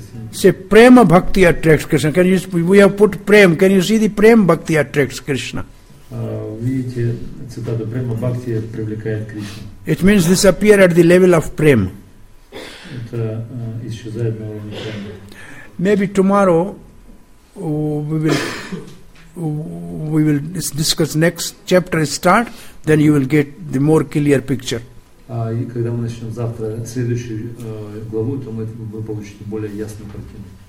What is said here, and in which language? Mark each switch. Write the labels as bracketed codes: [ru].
[en] Say prema bhakti attracts Krishna. Can you see, we have put prema? Can you see the prema bhakti attracts Krishna? [ru] Видите цитату према бхакти привлекает Кришна. [en] It means this appear at the level of prema. [ru] Это исчезает на уровне према. [en] Maybe tomorrow we will discuss next chapter start, then you will get the more clear picture. [ru] И когда мы начнем завтра следующую главу, то вы получите более ясную картину.